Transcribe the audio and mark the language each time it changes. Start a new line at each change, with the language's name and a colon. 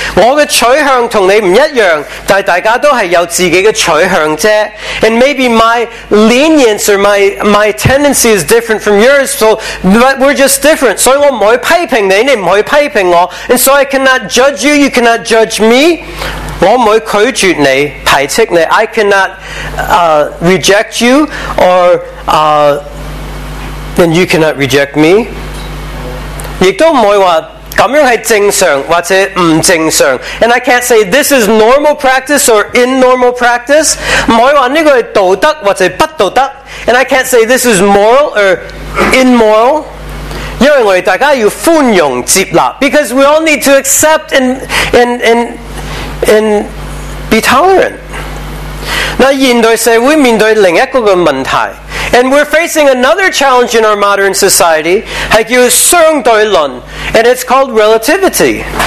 Chinese: 我的取向跟你不一样，但大家都是有自己的取向而已。
English: And maybe my lenience or my tendency is different from yours, so, but we're just different.
Chinese: 所以我不可以批评你，你不可以批评我。
English: And so I cannot judge you, you cannot judge me.
Chinese: 我不会拒绝你，排斥你。
English: I cannot reject you, or then you cannot reject me.
Chinese: 亦都不会说这样是正常或者不正常。
English: And I can't say this is normal practice or in normal practice.
Chinese: 不会说这个是道德或者不道德。
English: And I can't say this is moral or immoral.
Chinese: 因为我们大家要宽容接纳。
English: Because we all need to accept and be tolerant.
Chinese: 那现代社会面对另一个的问题，
English: and we're facing another challenge in our modern society,
Chinese: 是叫相对论，
English: and it's called relativity.